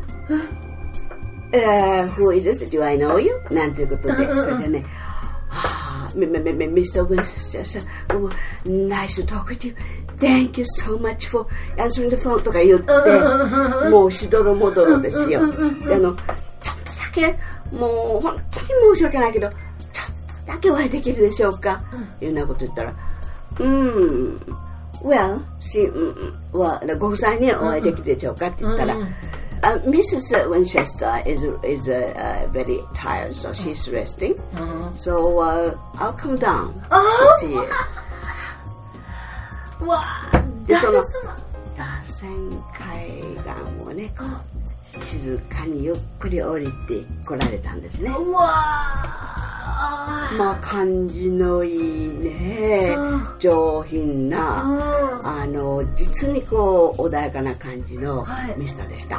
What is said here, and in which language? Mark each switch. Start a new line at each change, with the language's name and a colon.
English: Who is this? Do I know you?
Japanese: なんていうことで、うんうんうん、それでね、はあMr.
English: Winston, nice talk with you. Thank you so much for answering the phone.
Japanese: とか言って、もうしどろもどろですよ。で、ちょっとだけ、もう本当に申し訳ないけど、ちょっとだけお会いできるでしょうか。いうようなこと言ったら、
English: well, she, well,
Japanese: ご夫妻にお会いできるでしょうかって言ったら、Mrs.
English: Winchester is very tired, so she's resting. So I'll come down to see you. わ
Japanese: あ、でその螺旋階段をね、こう静かにゆっくり降りてこられたんですね。うわあ、まあ感じのいいね、上品な、あの実にこう穏やかな感じのミスターでした。